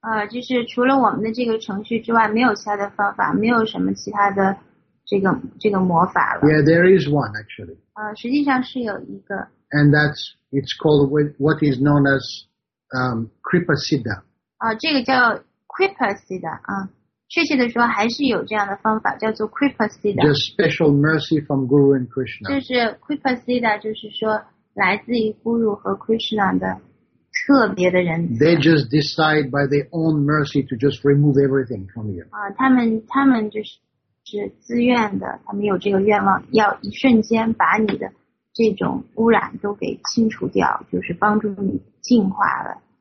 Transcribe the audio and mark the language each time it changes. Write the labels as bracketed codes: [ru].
[zh] 就是除了我们的这个程序之外，没有其他的方法，没有什么其他的。这个魔法了。 [en] Yeah, there is one actually. [zh] 实际上是有一个。 [en] And it's called what is known as Kripa Siddha. [zh] 这个叫 Kripa Siddha. 确切的说还是有这样的方法叫做 Kripa Siddha. [en] Just special mercy from Guru and Krishna. [zh] 就是 Kripa Siddha, 就是说来自于 Guru 和 Krishna 的特别的人。 [en] They just decide by their own mercy to just remove everything from you. [zh] 他们就是是自愿的，他们有这个愿望，要一瞬间把你的这种污染都给清除掉，就是帮助你净化了。